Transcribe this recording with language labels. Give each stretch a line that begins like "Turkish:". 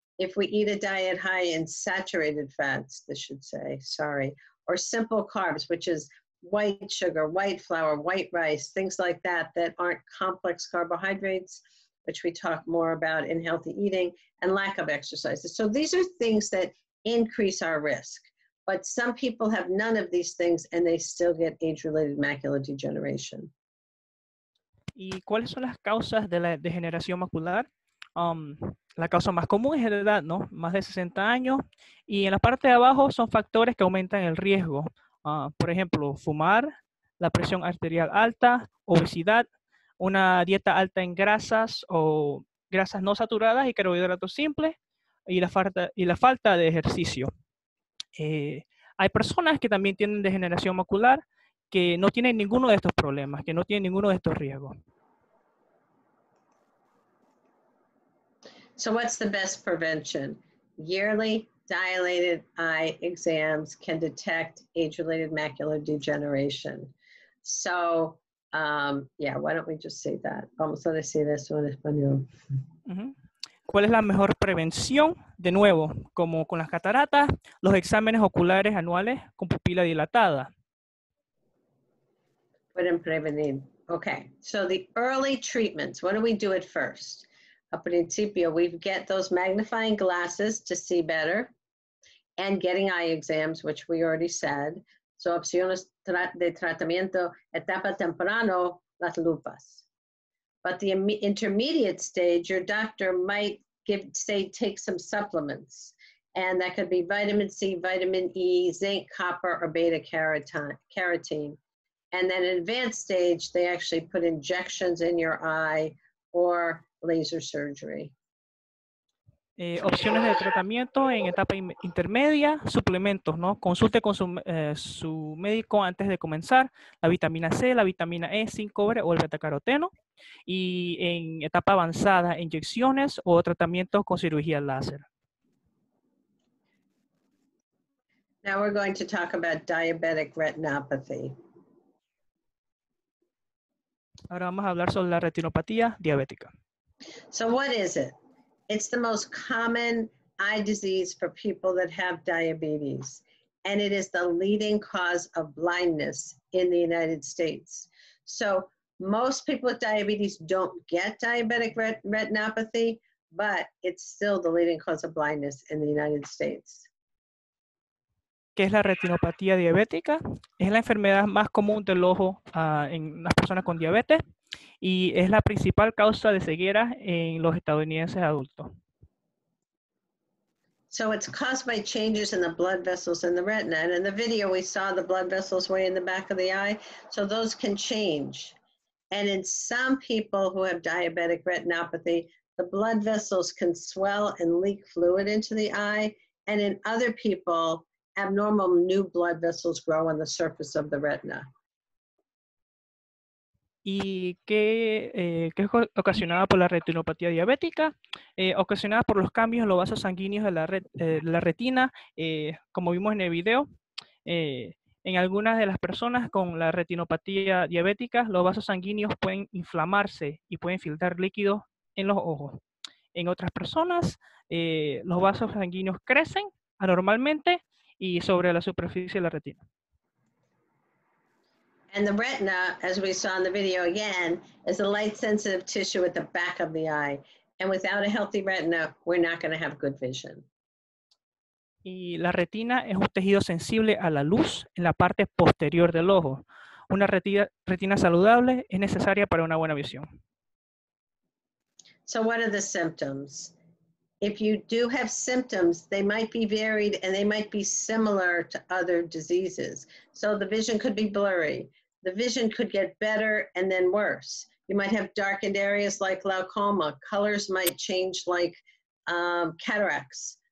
English: If we eat a diet high in saturated fats, this should say, sorry, or simple carbs, which is white sugar, white flour, white rice, things like that, that aren't complex carbohydrates, which we talk more about in healthy eating, and lack of exercises. So these are things that increase our risk. But some people have none of these things and they still get age-related macular degeneration.
Spanish: ¿Y cuáles son las causas de la degeneración macular? La causa más común es la edad, ¿no? Más de 60 años. Y en la parte de abajo son factores que aumentan el riesgo. Por ejemplo, fumar, la presión arterial alta, obesidad, una dieta alta en grasas o grasas no saturadas y carbohidratos simples y la falta de ejercicio. Hay personas que también tienen degeneración macular que no tienen ninguno de estos problemas, que no tienen ninguno de estos riesgos.
English: So what's the best prevention? Yearly dilated eye exams can detect age-related macular degeneration. So, why don't we just say that?
Spanish: Vamos a decir eso en español. ¿Cuál es la mejor prevención? De nuevo, como con las cataratas, los exámenes oculares anuales con pupila dilatada. Pueden prevenir.
English: Okay, so the early treatments, what do we do at first?
Spanish: A principio,
English: we get those magnifying glasses to see better. And getting eye exams, which we already said.
Spanish: So, opciones de tratamiento, etapa temprano, las lupas.
English: But the intermediate stage, your doctor might take some supplements. And that could be vitamin C, vitamin E, zinc, copper, or beta carotene. And then advanced stage, they actually put injections in your eye or laser surgery.
Spanish: Opciones de tratamiento en etapa intermedia, suplementos, ¿no? Consulte con su médico antes de comenzar la vitamina C, la vitamina E, zinc, cobre o el betacaroteno. Y en etapa avanzada, inyecciones o tratamientos con cirugía láser.
English: Now we're going to talk about diabetic retinopathy.
Spanish: Ahora vamos a hablar sobre la retinopatía diabética.
English: So what is it? It's the most common eye disease for people that have diabetes, and it is the leading cause of blindness in the United States. So most people with diabetes don't get diabetic retinopathy, but it's still the leading cause of blindness in the United States.
Spanish: ¿Qué es la retinopatía diabética? Es la enfermedad más común del ojo en las personas con diabetes y es la principal causa de ceguera en los estadounidenses adultos.
English: So it's caused by changes in the blood vessels in the retina. And in the video, we saw the blood vessels way in the back of the eye. So those can change. And in some people who have diabetic retinopathy, the blood vessels can swell and leak fluid into the eye. And in other people, abnormal new blood vessels grow on the surface of the retina.
Spanish: ¿Y qué es ocasionada por la retinopatía diabética? Ocasionada por los cambios en los vasos sanguíneos de la retina, como vimos en el video. En algunas de las personas con la retinopatía diabética, los vasos sanguíneos pueden inflamarse y pueden filtrar líquidos en los ojos. En otras personas, los vasos sanguíneos crecen anormalmente y sobre la superficie de la retina.
English: And the retina, as we saw in the video again, is a light-sensitive tissue at the back of the eye. And without a healthy retina, we're not going to have good vision.
Spanish: Y la retina es un tejido sensible a la luz en la parte posterior del ojo. Una retina saludable es necesaria para una buena visión.
English: So what are the symptoms? If you do have symptoms, they might be varied and they might be similar to other diseases. So the vision could be blurry. The vision could get better and then worse. You might have darkened areas like glaucoma. Colors might change like cataracts.